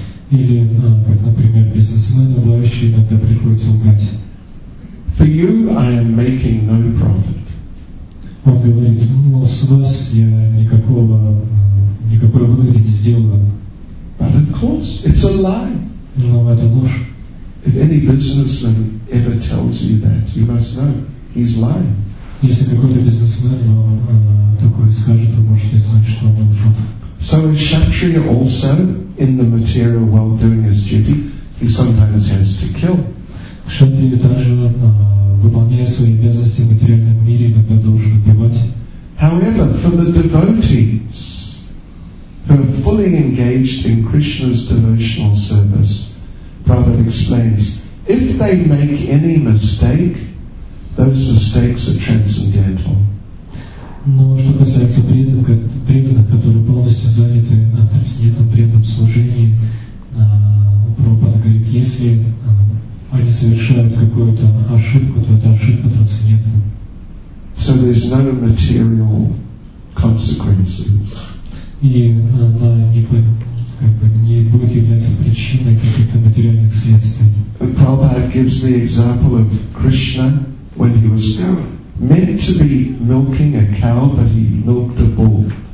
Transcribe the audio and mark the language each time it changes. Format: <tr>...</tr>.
<ru>Или, как, например, бизнесмен, вайши, иногда приходится лгать.</ru> <en>For you, I am making no profit.</en> <ru>Он говорит, ну, с вас я никакой выгоды не сделаю.</ru> <en>But of course, it's a lie.</en> <ru>Но это ложь.</ru> <en>If any businessman ever tells you that, you must know he's lying.</en> <ru>Если какой-то бизнесмен такое скажет, вы можете знать, что он лжет.</ru> <en>So a kshatriya also in the material world doing his duty, he sometimes has to kill.</en> <ru>Кшатрия также выполняя свои обязанности в материальном мире, иногда должен убивать.</ru> <en>However, for the devotees who are fully engaged in Krishna's devotional service, Prabhupada explains, if they make any mistake, those mistakes are transcendental.</en> <ru>Но что касается преданных, которые полностью заняты на трансцендентном преданном служении, Прабхупада говорит, если они совершают какую-то ошибку, то это ошибка трансцендентна.</ru> <en>So there's no material consequences.</en> <ru>И она не будет являться причиной каких-то материальных следствий.</ru> <en>Prabhupada gives the example of Krishna when he was meant to be milking a cow, but he milked a bull.</en>